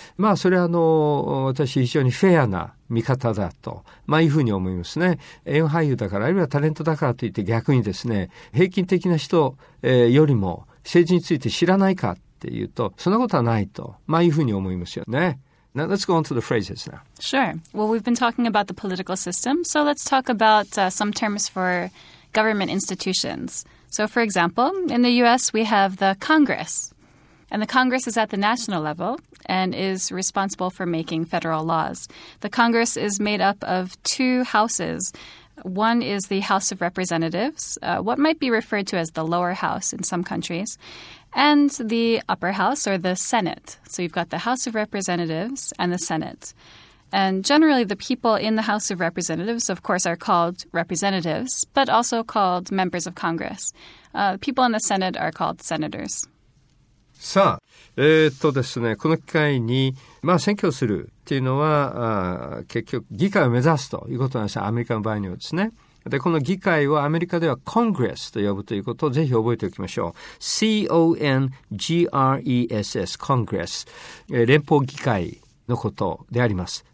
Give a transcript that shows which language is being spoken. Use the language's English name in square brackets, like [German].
[Japanese] まあそれは私非常にフェアな見方だと、まあいうふうに思いますね。演俳優だから、あるいはタレントだからといって逆にですね、平均的な人よりも政治について知らないかっていうと、そんなことはないと、まあいうふうに思いますよね。 [English] Now, let's go on to the phrases now. Sure. Well, we've been talking about the political system, so let's talk about some terms for government institutions. So, for example, in the U.S., we have the Congress. And the Congress is at the national level and is responsible for making federal laws. The Congress is made up of two houses. One is the House of Representatives, what might be referred to as the lower house in some countries, and the upper house or the Senate. So you've got the House of Representatives and the Senate. And generally, the people in the House of Representatives, of course, are called representatives, but also called members of Congress. People in the Senate are called senators. [Japanese] さあ、ですね、この機会に、まあ、選挙するというのは結局議会を目指すということなんですよ、アメリカの場合にはですね。で、この議会をアメリカではコングレスと呼ぶということをぜひ覚えておきましょう。 C-O-N-G-R-E-S-S コングレス、連邦議会のことであります。